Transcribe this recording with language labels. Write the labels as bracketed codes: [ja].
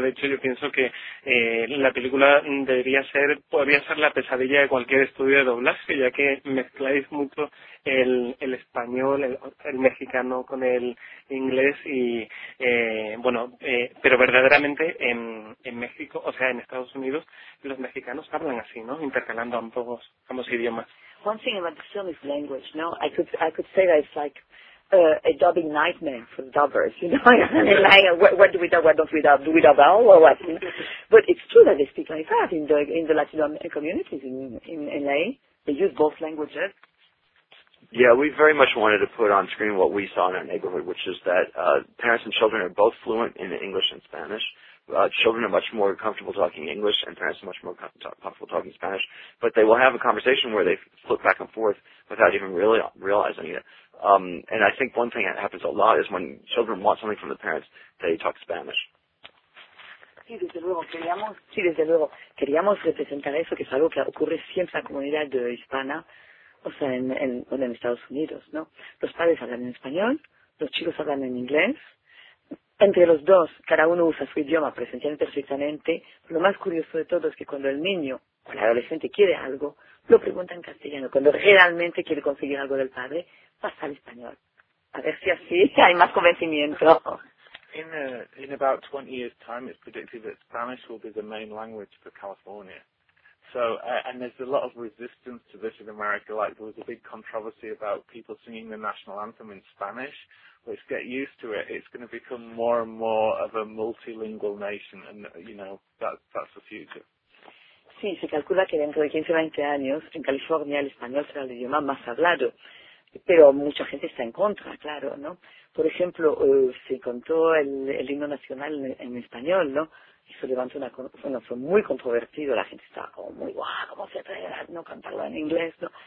[es] De hecho, yo pienso que la película podría ser la pesadilla de cualquier estudio de doblaje, ya que mezcláis mucho el español, el mexicano con el inglés y, pero verdaderamente en México, o sea, en Estados Unidos, los mexicanos hablan así, ¿no? Intercalando ambos idiomas. [en] One thing about the film is language, no? I could say that it's like a dubbing nightmare for the dubbers, you know? And like, what do we dub, what don't we dub? Do we dub all or what? But it's true that they speak like that in the Latin American communities in LA. They use both languages. Yeah, we very much wanted to put on screen what we saw in our neighborhood, which is that parents and children are both fluent in English and Spanish. Children are much more comfortable talking English, and parents are much more comfortable talking Spanish. But they will have a conversation where they flip back and forth without even really realizing it. And I think one thing that happens a lot is when children want something from the parents, they talk Spanish. [es] Sí, desde luego. Queríamos representar eso, que es algo que ocurre siempre en la comunidad hispana, o sea, en Estados Unidos, ¿no? Los padres hablan en español, los chicos hablan en inglés. Entre los dos, cada uno usa su idioma presencialmente perfectamente. Lo más curioso de todo es que cuando el niño o el adolescente quiere algo, lo pregunta en castellano. Cuando realmente quiere conseguir algo del padre, pasa al español. A ver si así hay más convencimiento. [en] In about 20 years' time, it's predicted that Spanish will be the main language for California. So, and there's a lot of resistance to this in America. Like, there was a big controversy about people singing the national anthem in Spanish. Let's get used to it. It's going to become more and more of a multilingual nation, and, you know, that's the future. [es] Sí, se calcula que dentro de 15 o 20 años, en California, el español será el idioma más hablado. Pero mucha gente está en contra, claro, ¿no? Por ejemplo, se contó el himno nacional en español, ¿no? Eso levantó fue muy controvertido, la gente estaba como muy guau, wow, ¿cómo se atreve a no cantarlo en inglés? ¿No?